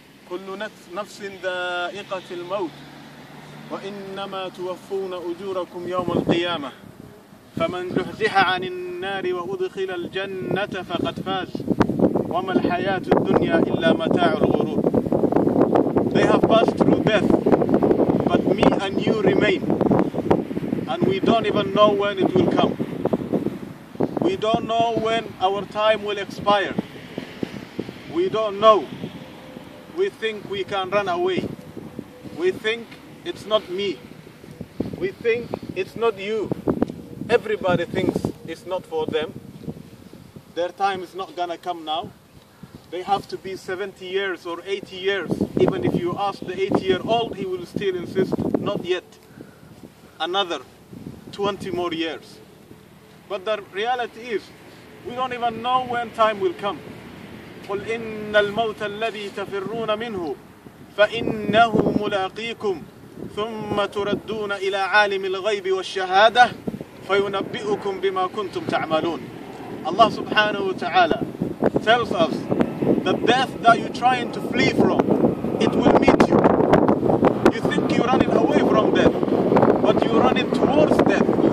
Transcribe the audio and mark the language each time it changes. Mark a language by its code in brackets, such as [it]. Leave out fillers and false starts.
[ar] كل نفس ذائقة الموت وإنما توفون أجوركم يوم القيامة فمن زحزح عن النار وأدخل الجنة فقد فاز وما الحياة الدنيا إلا متاع الغرور. [en] They have passed through death, but me and you remain, and we don't even know when it will come. We don't know when our time will expire. We don't know. We think we can run away. We think it's not me. We think it's not you. Everybody thinks it's not for them. Their time is not gonna come now. They have to be 70 years or 80 years. Even if you ask the 80-year-old, he will still insist, not yet. Another 20 more years. But the reality is, we don't even know when time will come. [ar] قل إن الموت الذي تفرون منه فإنه ملاقيكم ثم تردون إلى عالم الغيب والشهادة فينبئكم بما كنتم تعملون. [en] Allah subhanahu wa ta'ala tells us that death that you're trying to flee from, it will meet you. You think you're running away from death, but you're running towards death.